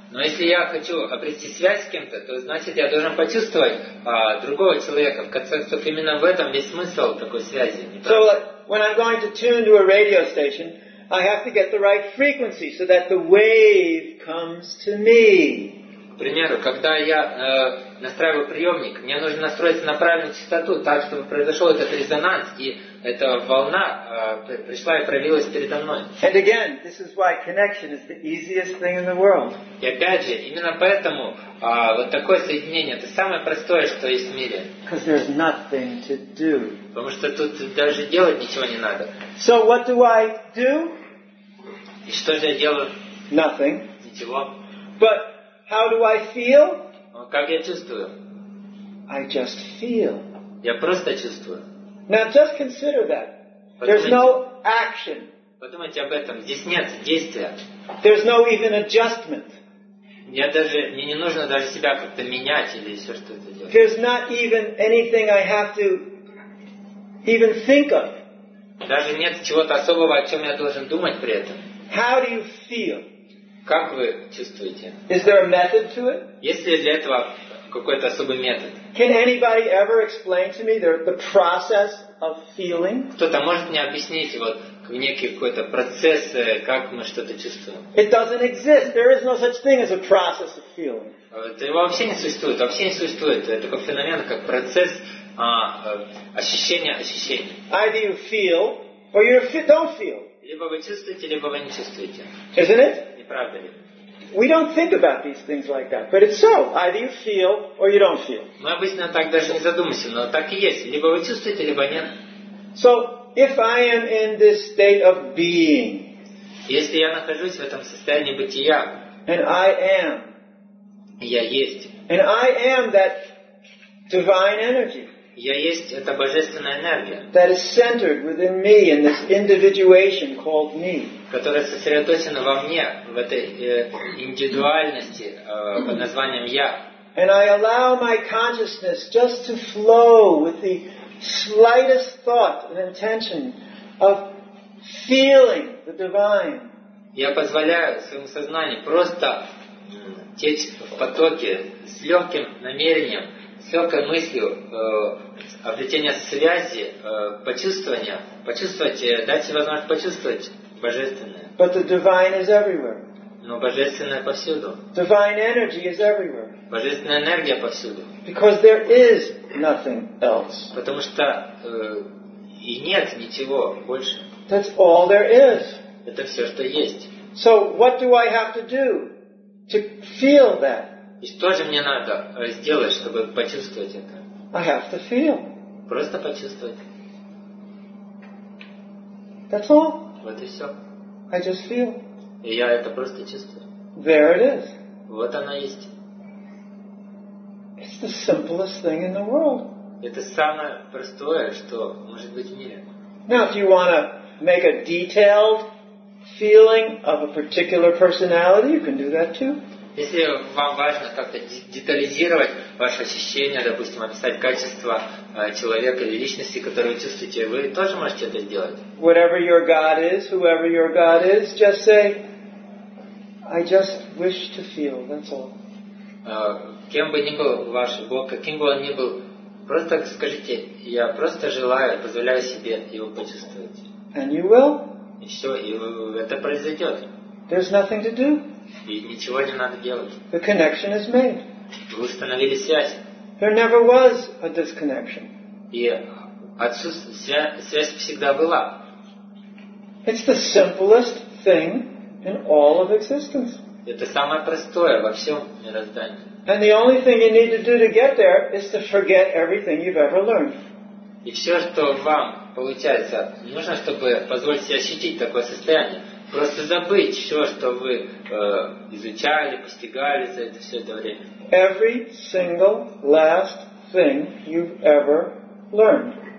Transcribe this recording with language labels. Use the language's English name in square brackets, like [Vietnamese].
[Russian] Но если я хочу обрести связь с кем-то, то значит я должен почувствовать другого человека. В конце концов, именно в этом весь смысл такой связи. [English] So, when I'm going to tune to a radio station, I have to get the right frequency so that the wave comes to me. [Russian] К примеру, когда я настраиваю приемник, мне нужно настроиться на правильную частоту, так чтобы произошел этот резонанс, и эта волна пришла и проявилась передо мной. [English] And again, this is why connection is the easiest thing in the world. [Russian] И опять же, именно поэтому вот такое соединение — это самое простое, что есть в мире. [English] Because there's nothing to do. [Russian] Потому что тут даже делать ничего не надо. [English] So what do I do? [Russian] И что же я делаю? [English] Nothing. [Russian] Ничего. [English] But how do I feel? [Russian] Как я чувствую? [English] I just feel. [Russian] Я просто чувствую. [English] Now just consider that. [Russian] Подумайте, [English] there's no action. [Russian] Подумайте об этом. Здесь нет действия. [English] There's no even adjustment. [Russian] Я даже, мне не нужно даже себя как-то менять или еще что-то делать. [English] There's not even anything I have to even think of. [Russian] Даже нет чего-то особого, о чем я должен думать при этом. [English] How do you feel? [Russian] Как вы чувствуете? [English] Is there a method to it? [Russian] Есть ли для этого какой-то особый метод? [English] Can anybody ever explain to me the process of feeling? [Russian] Кто-то может мне объяснить вот некий какой-то процесс, как мы что-то чувствуем? [English] It doesn't exist. There is no such thing as a process of feeling. [Russian] Это вообще не существует. Вообще не существует такого феномена, как процесс ощущения ощущений. [English] Either you feel or you don't feel. [Russian] Либо вы чувствуете, либо вы не чувствуете. [English] Isn't it? [Russian] Не правда ли? [English] We don't think about these things like that, but it's so. Either you feel or you don't feel. [Russian] Мы обычно так даже не задумываемся, но так и есть. Либо вы чувствуете, либо нет. [English] So if I am in this state of being, [Russian] если я нахожусь в этом состоянии бытия, [English] and I am, [Russian] я есть, [English] and I am that divine energy, [Russian] я есть эта божественная энергия, [English] that is centered within me in this individuation called me, [Russian] которая сосредоточена во мне в этой индивидуальности под названием я, [English] and I allow my consciousness just to flow with the slightest thought and intention of feeling the divine. [Russian] Я позволяю своему сознанию просто течь в потоке с легким намерением, с легкой мыслью обретения связи, почувствования, почувствовать, дать себе возможность почувствовать божественное. [English] But the divine is everywhere. [Russian] Но божественное повсюду. [English] Divine energy is everywhere. [Russian] Божественная энергия повсюду. [English] Because there is nothing else. [Russian] Потому что и нет ничего больше. [English] That's all there is. [Russian] Это все, что есть. [English] So what do I have to do to feel that? [Russian] И что же мне надо сделать, чтобы почувствовать это? [English] I have to feel. [Russian] Просто почувствовать. [English] That's all. [Russian] Вот и все. [English] I just feel. [Russian] И я это просто чувствую. [English] There it is. [Russian] Вот оно есть. [English] It's the simplest thing in the world. [Russian] Это самое простое, что может быть в мире. [English] Now, if you want to make a detailed feeling of a particular personality, you can do that too. [Russian] Если вам важно как-то детализировать ваши ощущения, допустим, описать качества человека или личности, которую вы чувствуете, вы тоже можете это сделать. [English] Whatever your God is, whoever your God is, just say, I just wish to feel, that's all. [Russian] Кем бы ни был ваш Бог, каким бы он ни был, просто скажите, я просто желаю, позволяю себе его почувствовать. [English] And you will. [Russian] И все, и это произойдет. [English] There's nothing to do. [Russian] И ничего не надо делать. [English] The connection is made. [Russian] Вы установили связь. [English] There never was a disconnection. [Russian] И связь всегда была. [English] It's the simplest thing in all of existence. [Russian] Это самое простое во всем мироздании. [English] And the only thing you need to do to get there is to forget everything you've ever learned. [Russian] И все, что вам получается, нужно, чтобы позволить себе ощутить такое состояние, просто забыть все, что вы изучали, постигали за это все это время. [English] Every single last thing you've ever learned.